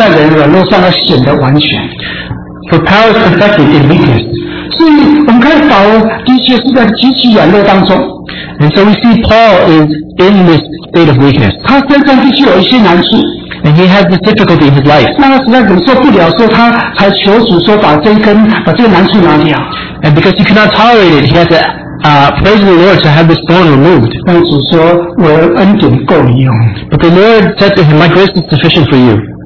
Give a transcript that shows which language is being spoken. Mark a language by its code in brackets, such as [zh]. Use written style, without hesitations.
[zh] 因我的能力在人软弱上显得完全。 [en] For power is perfected in weakness. [zh] 所以我们看保罗的确是在极其软弱当中。 [en] And so we see Paul is in this state of weakness. [zh] 他身上的确有一些难处。 [en] And he has this difficulty in his life. [zh] 那他实在忍受不了，所以他才求主说把这根把这个难处拿掉。 [en] And because he cannot tolerate it, he has to praise the Lord to have this thorn removed. [zh] 但主说我的恩典够用。 [en] But the Lord said to him, My grace is sufficient for you.